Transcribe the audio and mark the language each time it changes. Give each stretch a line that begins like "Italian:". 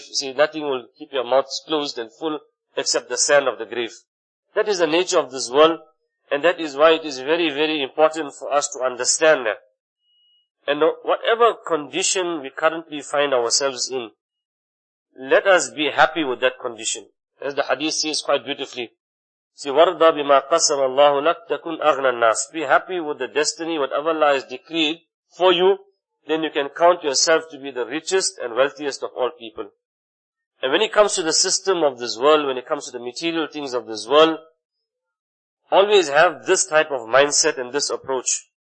English: See, nothing will keep your mouth closed and full, except the sand of the grave. That is the nature of this world, and that is why it is very, very important for us to understand that. And whatever condition we currently find ourselves in, let us be happy with that condition. As the hadith says quite beautifully, see,
Arabic: وَرْضَ بِمَا قَسَمَ اللَّهُ لَكْ تَكُنْ أَغْنَى النَّاسِ.
English: Be happy with the destiny, whatever Allah has decreed for you, then you can count yourself to be the richest and wealthiest of all people. And when it comes to the system of this world, when it comes to the material things of this world, always have this type of mindset and this approach.